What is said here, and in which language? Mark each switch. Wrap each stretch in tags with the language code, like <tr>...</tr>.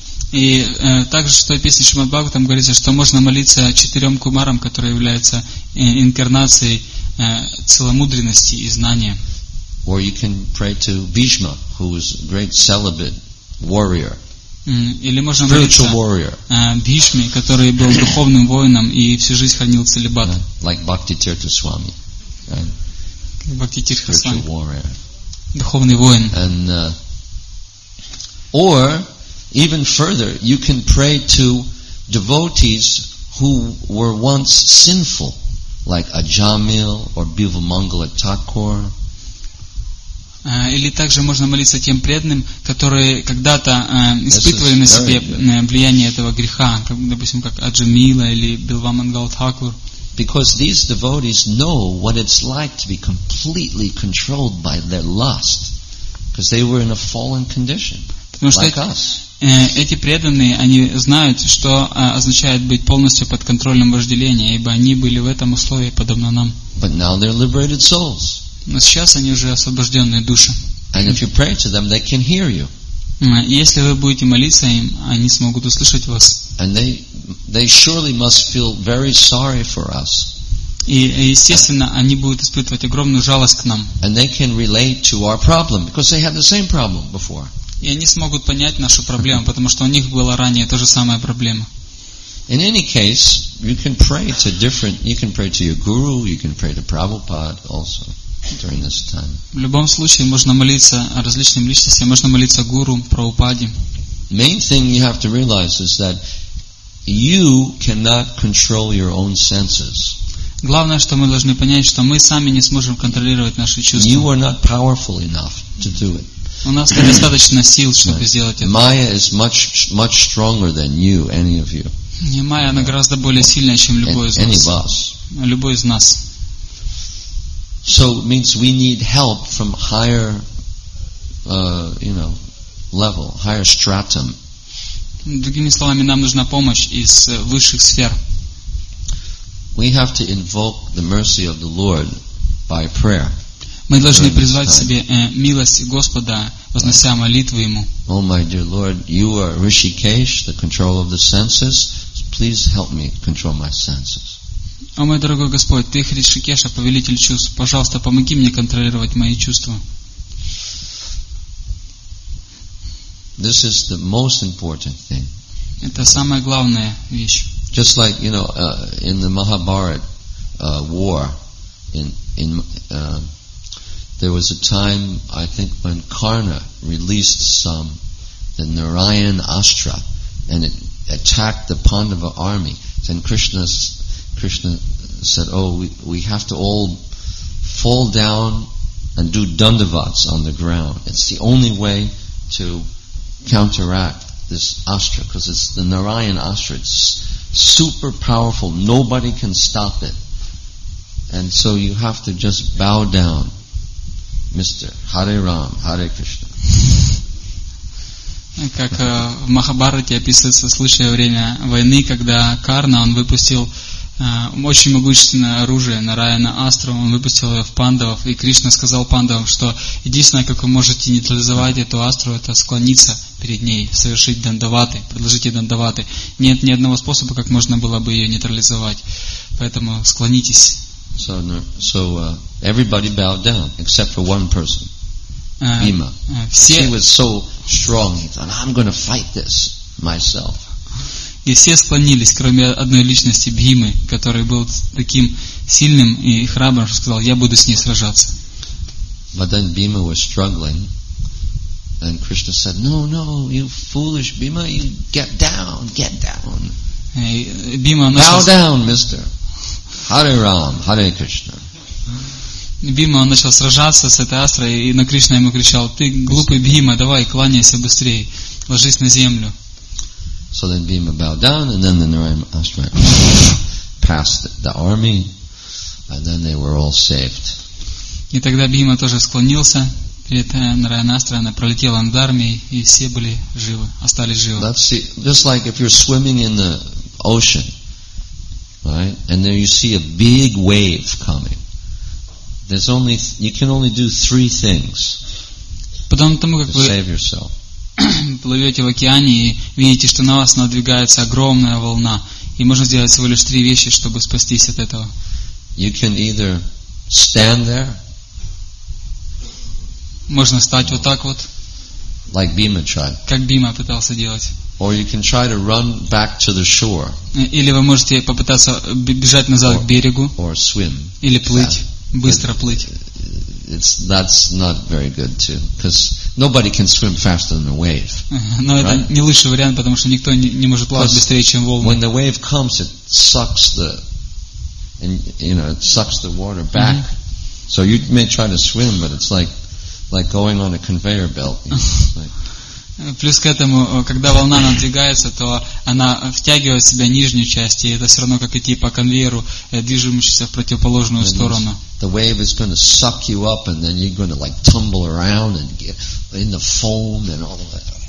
<ru>И также, что описано в Шримад Бхагаватам, говорится, что можно молиться четырем кумарам, которые являются инкарнацией целомудренности и знания.</ru> <en>Or you can pray to Bhishma, who is a great celibate warrior.</en> <ru>Или можно молиться Бхишме, который был духовным воином и всю жизнь хранил целибат.</ru> <en>Like Bhakti Tirtha Swami. Bhakti Tirtha Swami.</en> <ru>Духовный воин.</ru> <en>And, or even further, you can pray to devotees who were once sinful, like Ajamil or Bivamangala Thakur.</en> <ru>Или также можно молиться тем преданным, которые когда-то испытывали на себе влияние этого греха, как, допустим, как Аджамила или Бивамангала Такур.</ru> <en>Because these devotees know what it's like to be completely controlled by their lust, because they were in a fallen condition, like us.</en> <ru>Эти преданные, они знают, что означает быть полностью под контролем вожделения, ибо они были в этом условии подобно нам.</ru> <en>But now they're liberated souls.</en> <ru>Но сейчас они уже освобожденные души.</ru> <en>And if you pray to them, they can hear you.</en> <ru>Если вы будете молиться им, они смогут услышать вас.</ru> <en>And they surely must feel very sorry for us.</en> <ru>И естественно, они будут испытывать огромную жалость к нам.</ru> <en>And they can relate to our problem because they had the same problem before.</en> <ru>И они смогут понять нашу проблему, потому что у них была ранее та же самая проблема.</ru> <en>In any case, you can pray to different. You can pray to your guru. You can pray to Prabhupada also. During this time.</en> <ru>В любом случае можно молиться о различных личностях, можно молиться гуру, Прабхупаде.</ru> <en>Main thing you have to realize is that you cannot control your own senses.</en> <ru>Главное, что мы должны понять, что мы сами не сможем контролировать наши чувства.</ru> <en>You are not powerful enough to do it.</en> <ru>У нас недостаточно сил, чтобы сделать это.</ru> <en>Maya is much stronger than you, any of you.</en> <ru>Майя, она гораздо более сильная, чем любой из нас.</ru> <en>Any of us.</en> <ru>Любой из нас.</ru> <en>So it means we need help from higher, you know, level, higher stratum.</en> <ru>Другими словами, нам нужна помощь из высших сфер.</ru> <en>We have to invoke the mercy of the Lord by prayer.</en> <ru>Мы должны призвать себе милость Господа, вознося молитвы Ему.</ru> <en>Oh my dear Lord, you are Rishikesh, the control of the senses. Please help me control my senses.</en> <ru>О, мой дорогой Господь, Ты Хришикеша, повелитель чувств. Пожалуйста, помоги мне контролировать мои чувства.</ru> <en>This is the most important thing.</en> <ru>Это самая главная вещь.</ru> <en>Just like, you know, in the Mahabharata war, there was a time, I think, when Karna released some, the Narayan Astra, and it attacked the Pandava army. Then Krishna said, "Oh, we have to all fall down and do dandavats on the ground. It's the only way to counteract this astra because it's the Narayan astra. It's super powerful. Nobody can stop it. And so you have to just bow down, Mr. Hare Ram, Hare Krishna."</en> <ru>Как в Махабхарате описывается случай во время войны, когда Карна он выпустил очень могущественное оружие на Райана Астру, он выпустил ее в Пандавов, и Кришна сказал Пандавам, что единственное, как вы можете нейтрализовать эту Астру, это склониться перед ней, совершить дандаваты, предложить ей дандаваты. Нет ни одного способа, как можно было бы ее нейтрализовать. Поэтому склонитесь.</ru> <en>So everybody bowed down, except for one person. Bhima. She was so strong, and I'm going to fight this myself.</en> <ru>И все склонились, кроме одной личности Бхимы, который был таким сильным и храбрым, что сказал: "Я буду с ней сражаться".</ru> <en>But then Bhima was struggling, and Krishna said, "No, no, you foolish Bhima, you get down, get down."</en> <ru>Бхима начал.</ru> <en>Bow down, Mister. Hare Ram, Hare Krishna.</en> <ru>Бхима начал сражаться с этой астрой, и на Кришна ему кричал: "Ты глупый Бхима, давай кланяйся быстрее, ложись на землю".</ru> <en>So then Bhima bowed down, and then the Narayana Astra passed the army, and then they were all saved.</en> <ru>И тогда Бхима тоже склонился перед Нараяна Астрой, она пролетела над армией, и все были живы, остались живы.</ru> <en>That's just like if you're swimming in the ocean, right? And then you see a big wave coming. There's only you can only do three things.</en> <ru>Потом тому, как вы</ru> <en>save yourself.</en> <ru>Плывете в океане и видите, что на вас надвигается огромная волна, и можно сделать всего лишь три вещи, чтобы спастись от этого.</ru> <en>You can either stand there.</en> <ru>Можно встать вот так вот.</ru> <en>Like Bhima tried.</en> <ru>Как Бхима пытался делать.</ru> <en>Or you can try to run back to the shore.</en> <ru>Или вы можете попытаться бежать назад к берегу.</ru> <en>Or swim.</en> <ru>Или плыть. Быстро плыть.</ru> <en>It's that's not very good too, because nobody can swim faster than a wave.</en> <ru>Но это не лучший вариант, потому что никто не может плавать быстрее, чем волны.</ru> <en>When the wave comes, it sucks the water back. Mm-hmm. So you may try to swim, but it's like going on a conveyor belt.</en> <ru>Плюс к этому, когда волна надвигается, то она втягивает в себя нижнюю часть, и это все равно как идти по конвейеру, движущемуся в противоположную сторону.</ru> <en>The wave is going to suck you up, and then you're going to like tumble around and get in the foam and all of that.</en>